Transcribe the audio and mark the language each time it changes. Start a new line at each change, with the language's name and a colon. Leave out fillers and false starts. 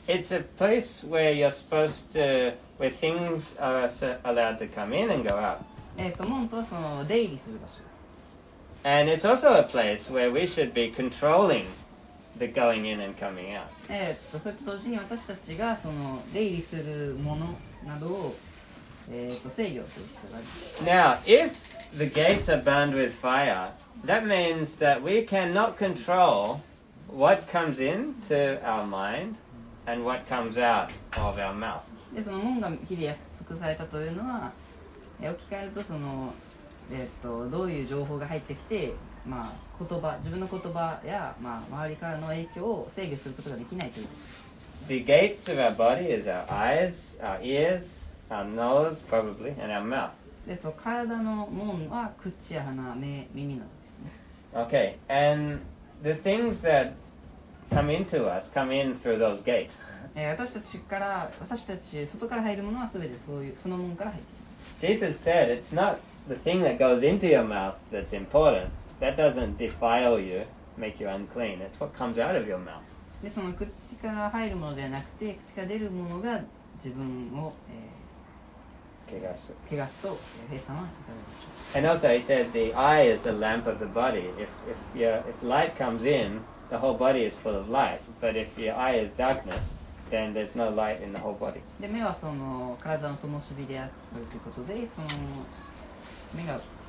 English: It's a place where you're supposed to, where things are allowed to come in and go out.
Japanese: 門とはその出入りする場所です。
English: And it's also a place where we should be controlling. The going in and coming out.
Japanese: それと同時に私たちがその出入りするものなどを制御する必要があります。
English: Now, if the gates are burned with fire, that means that we cannot control what comes into our mind and what comes out of our mouth.
Japanese: で、その門が火で焼き尽くされたというのは、置き換えるとその、どういう情報が入ってきて、まあ、言葉自分の言葉や、まあ、周りからの影響を制御することができないということです。
English: The gates of our body is our eyes, our ears, our nose, probably, and our mouth.
Japanese: で、その体の門は口や鼻、目、耳なんですね。
English: Okay, and the things that come into us come in through those gates.
Japanese: 私たち外から入るものは全てそういうその門から入っています。
English: Jesus said it's not the thing that goes into your mouth that's important. That doesn't defile you, make you unclean. It's what comes out of your mouth.
Japanese: で、その口から入るものではなくて、口から出るものが自分を、怪我すと、弊様はいかがでしょう。
English: And also he said the eye is the lamp of the body. If light comes in, the whole body is full of light. But if your eye is darkness, then there's no light in the whole body.
Japanese: で、目はその体の灯火であるということで、その目が、